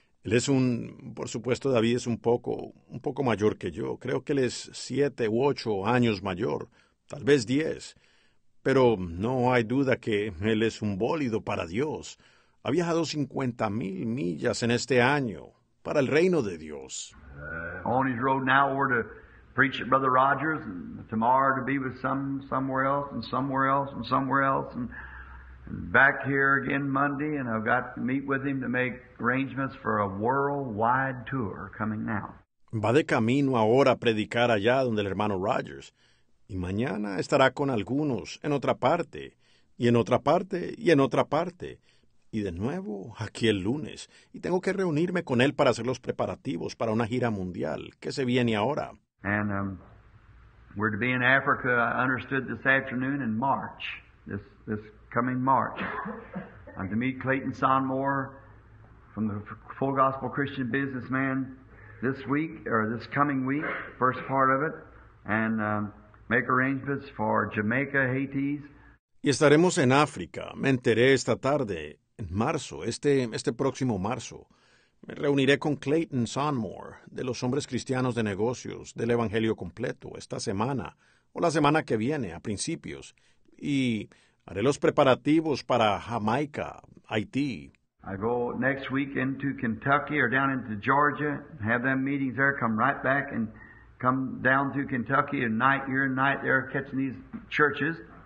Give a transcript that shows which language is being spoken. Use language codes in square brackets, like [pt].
[es] Él es por supuesto, David es un poco mayor que yo. Creo que él es 7 u 8 años mayor, tal vez 10. Pero no hay duda que él es un bólido para Dios. Ha viajado 50,000 millas en este año para el reino de Dios. [en] On his road now, we're to preach at Brother Rogers, and tomorrow to be with somewhere else, and somewhere else, and somewhere else, and back here again Monday, and I've got to meet with him to make arrangements for a worldwide tour coming now. [es] Va de camino ahora a predicar allá donde el hermano Rogers. Y mañana estará con algunos en otra parte, y en otra parte, y en otra parte. Y de nuevo, aquí el lunes. Y tengo que reunirme con él para hacer los preparativos para una gira mundial que se viene ahora. [en] And we're to be in Africa, I understood, this afternoon in March, this coming March. I'm to meet Clayton Sonmore from the Full Gospel Christian Businessman this week, or this coming week, first part of it. And make arrangements for Jamaica, Haiti. [es] Y estaremos en África. Me enteré esta tarde, en marzo, este próximo marzo. Me reuniré con Clayton Sonmore, de los Hombres Cristianos de Negocios, del Evangelio Completo, esta semana, o la semana que viene, a principios. Y haré los preparativos para Jamaica, Haití. [en] I go next week into Kentucky, or down into Georgia, have them meetings there, come right back and come down to Kentucky and night here and night there catching these churches.